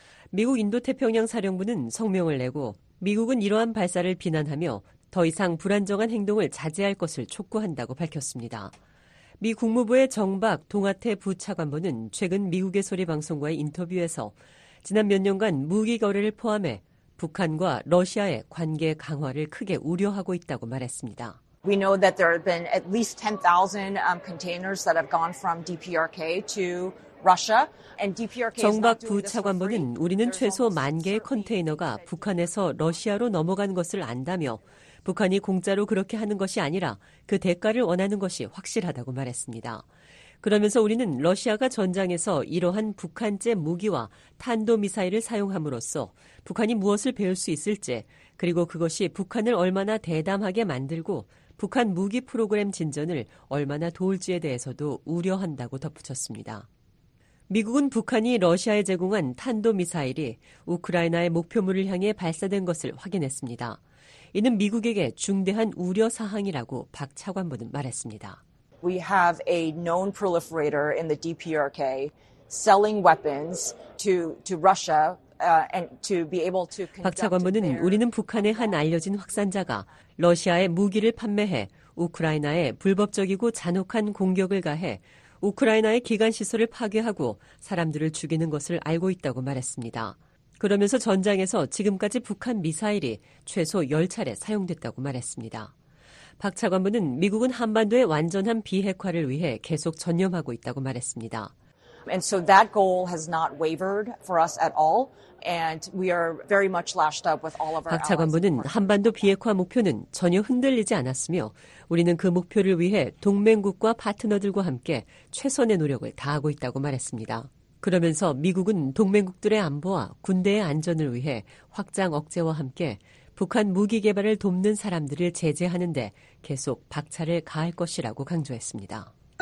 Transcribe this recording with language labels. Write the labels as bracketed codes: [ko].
[ko] 미국 인도태평양 사령부는 성명을 내고 미국은 이러한 발사를 비난하며 더 이상 불안정한 행동을 자제할 것을 촉구한다고 밝혔습니다. 미 국무부의 정박 동아태 부차관보는 최근 미국의 소리 방송과의 인터뷰에서 지난 몇 년간 무기 거래를 포함해 북한과 러시아의 관계 강화를 크게 우려하고 있다고 말했습니다. [en] We know that there have been at least 10,000 containers that have gone from DPRK to Russia. And DPRK [ko] 정박 부차관보는 우리는 최소 만 개의 컨테이너가 북한에서 러시아로 넘어간 것을 안다며 북한이 공짜로 그렇게 하는 것이 아니라 그 대가를 원하는 것이 확실하다고 말했습니다. 그러면서 우리는 러시아가 전장에서 이러한 북한제 무기와 탄도미사일을 사용함으로써 북한이 무엇을 배울 수 있을지 그리고 그것이 북한을 얼마나 대담하게 만들고 북한 무기 프로그램 진전을 얼마나 도울지에 대해서도 우려한다고 덧붙였습니다. 미국은 북한이 러시아에 제공한 탄도미사일이 우크라이나의 목표물을 향해 발사된 것을 확인했습니다. 이는 미국에게 중대한 우려 사항이라고 박 차관보는 말했습니다. [en] We have a known proliferator in the DPRK selling weapons to Russia and to be able to. [ko] 박 차관보는 우리는 북한의 한 알려진 확산자가 러시아에 무기를 판매해 우크라이나에 불법적이고 잔혹한 공격을 가해 우크라이나의 기관 시설을 파괴하고 사람들을 죽이는 것을 알고 있다고 말했습니다. 그러면서 전장에서 지금까지 북한 미사일이 최소 10차례 사용됐다고 말했습니다. 박 차관보는 미국은 한반도의 완전한 비핵화를 위해 계속 전념하고 있다고 말했습니다. [en] And so that goal has not wavered for us at all and we are very much lashed up with all of our [ko] 박 차관보는 한반도 비핵화 목표는 전혀 흔들리지 않았으며 우리는 그 목표를 위해 동맹국과 파트너들과 함께 최선의 노력을 다하고 있다고 말했습니다. 그러면서 미국은 동맹국들의 안보와 군대의 안전을 위해 확장 억제와 함께 북한 무기 개발을 돕는 사람들을 제재하는 데 계속 박차를 가할 것이라고 강조했습니다.